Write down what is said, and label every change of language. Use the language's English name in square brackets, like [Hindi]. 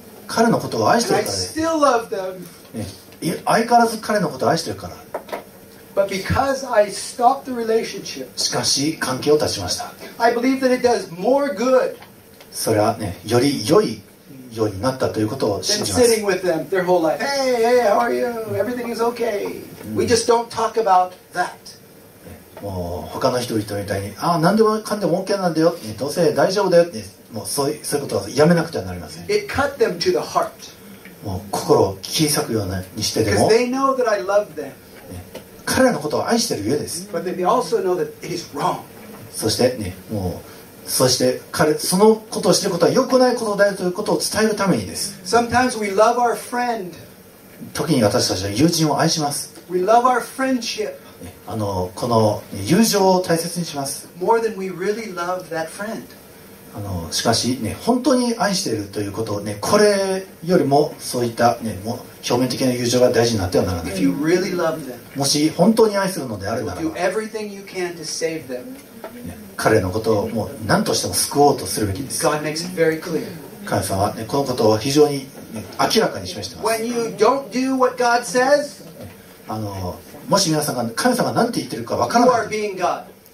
[Japanese] 彼のことを愛してるからで。 [English] And I still love them. [Japanese] ね、相変わらず彼のことを愛してるから [English] But because I stopped the relationship, [Japanese] しかし関係を断ちました [English] I believe that it does more good [Japanese] それは、ね、より良いようになったということを信じます [English] than sitting with them their whole life Hey, hey, how are you? Everything is okay We just don't talk about that、 [Japanese] ね、もう他の人々みたいにああ何でもかんでも OK なんだよ、ね、どうせ大丈夫だよ、ね、もうそういうことはやめなくてはなりません [English] It cut them to the heart [Japanese] もう心を切り裂くようにしてでも [English] they know that I love them.、 [Japanese] ね、彼らのことを愛してるゆえです [English] But they also know that it is wrong. [Japanese] そして、ね、もうそして彼そのことをしていることは良くないことだよということを伝えるためにです [English] Sometimes we love our friend. [Japanese] 時に私たちは友人を愛します [English] we love our friendship.、 [Japanese] ね、この友情を大切にします [English] More than we really love that friend. [Japanese] しかし、ね、本当に愛しているということを、ね、これよりもそういった、ね、もう表面的な友情が大事になってはならない [English] If you really love them, [Japanese] もし本当に愛するのであるならば [English] you do everything you can to save them.、 [Japanese] ね、彼のことをもう何としても救おうとするべきです [English] God makes it very clear. [Japanese] 神様は、ね、このことを非常に、ね、明らかに示しています [English] When you don't do what God says, [Japanese] もし皆さんが神様が何て言ってるかわからない [English] You are being God.